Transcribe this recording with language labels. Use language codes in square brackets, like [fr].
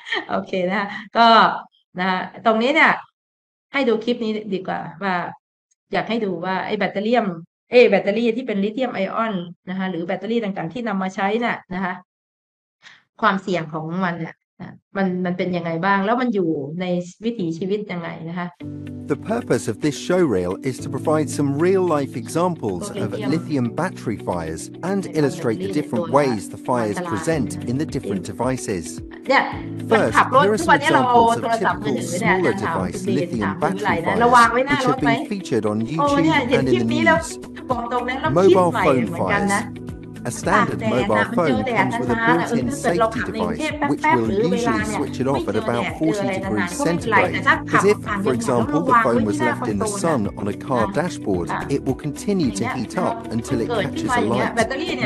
[th] โอเคนะคะก็นะคะตรงนี้เนี่ยให้ดูคลิปนี้ดีกว่าว่าอยากให้ดูว่าไอ้แบตเตอรี่แบตเตอรี่ที่เป็นลิเธียมไอออนนะคะหรือแบตเตอรี่ต่างๆที่นำมาใช้น่ะนะคะความเสี่ยงของมันมันเป็นยังไงบ้างแล้วมันอยู่ในวิถีชีวิตยังไงนะคะ [en] The purpose of this showreel is to provide some real life examples of lithium battery fires and illustrate the different ways the fires present in the different devices [th] เนี่ยขับรถทุกวันนี้เราโทรศัพท์มือถือเนี่ยถามคุณดีถามคุณไรนะระวังไว้หน้ารถไหมโอ้เนี่ยเห็นคลิปนี้แล้วบอกตรงนั้นเราคิดใหม่เหมือนกันนะ [en] Mobile phone fires Mobile phone fires A standard mobile phone comes with a built-in safety device, which will usually switch it off at about 40 degrees centigrade. As if, for example, the phone was left in the sun on a car dashboard, it will continue to heat up until it catches a light.